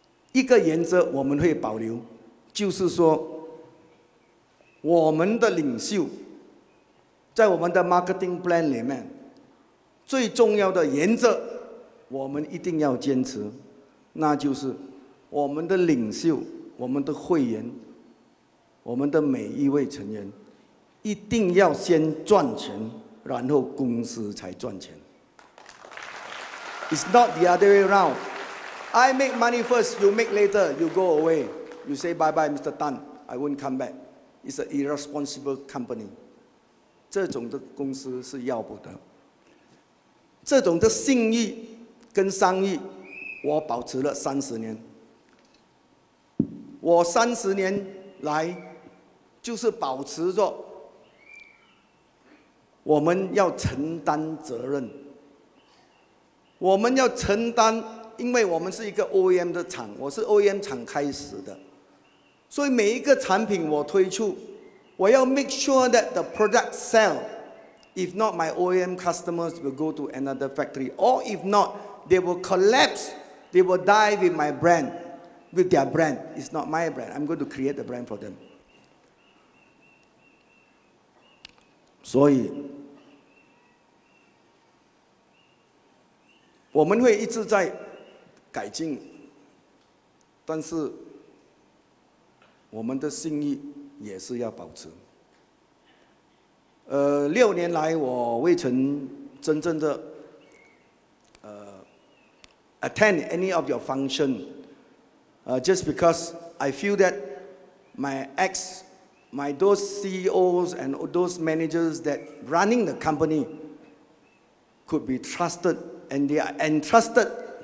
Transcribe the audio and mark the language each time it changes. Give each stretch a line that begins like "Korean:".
Chinese: 一个原则我们会保留，就是说我们的领袖在我们的 marketing plan 里面最重要的原则我们一定要坚持，那就是我们的领袖、我们的会员、我们的每一位成员一定要先赚钱，然后公司才赚钱。
English: It's not the other way around。 I make money first, you make later, you go away. You say bye bye, Mr. Tan, I won't come back. It's an irresponsible company.
Chinese: 这种的公司是要不得。这种的信誉跟商誉，我保持了三十年。我三十年来就是保持着我们要承担责任，我们要承担。因为我们是一个 OEM 的厂，我是 OEM 厂开始的，所以每一个产品我推出，我要
English: make sure that the product sell. If not, my OEM customers will go to another factory. Or if not, they will collapse. They will die with my brand, with their brand. It's not my brand. I'm going to create a brand for them.
Chinese: 所以我们会一直在改进，但是我们的信誉也是要保持。六年来我未曾真正的
English: attend any of your function, just because I feel that those CEOs and those managers that running the company could be trusted, and they are entrusted.